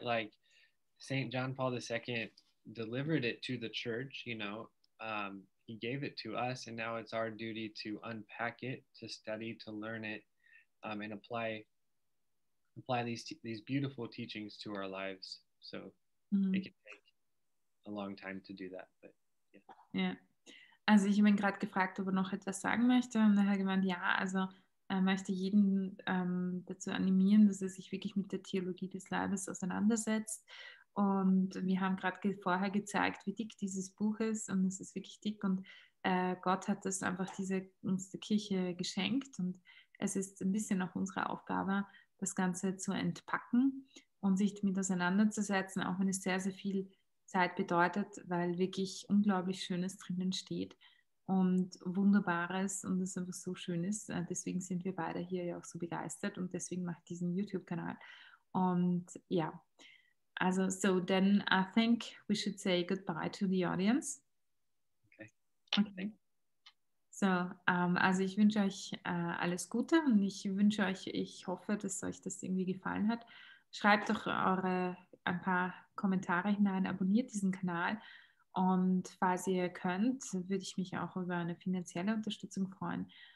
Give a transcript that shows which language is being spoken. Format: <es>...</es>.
<en>Like Saint John Paul II delivered it to the church, you know, he gave it to us, and now it's our duty to unpack it, to study, to learn it, and apply these beautiful teachings to our lives. So mm-hmm. it can take a long time to do that, but yeah.</en> <de>Ja, also ich habe ihn gerade gefragt, ob er noch etwas sagen möchte, und er hat gemeint, ja, also er möchte jeden dazu animieren, dass er sich wirklich mit der Theologie des Leibes auseinandersetzt. Und wir haben gerade vorher gezeigt, wie dick dieses Buch ist, und es ist wirklich dick, und Gott hat das einfach uns der Kirche geschenkt, und es ist ein bisschen auch unsere Aufgabe, das Ganze zu entpacken und sich damit auseinanderzusetzen, auch wenn es sehr, sehr viel Zeit bedeutet, weil wirklich unglaublich Schönes drinnen steht und Wunderbares, und es einfach so schön ist. Deswegen sind wir beide hier ja auch so begeistert, und deswegen mache ich diesen YouTube-Kanal. Und ja, also</de> <en>so then I think we should say goodbye to the audience. Okay.</en> <de>So, also ich wünsche euch alles Gute, und ich wünsche euch, ich hoffe, dass euch das irgendwie gefallen hat. Schreibt doch ein paar Kommentare hinein, abonniert diesen Kanal, und falls ihr könnt, würde ich mich auch über eine finanzielle Unterstützung freuen.</de>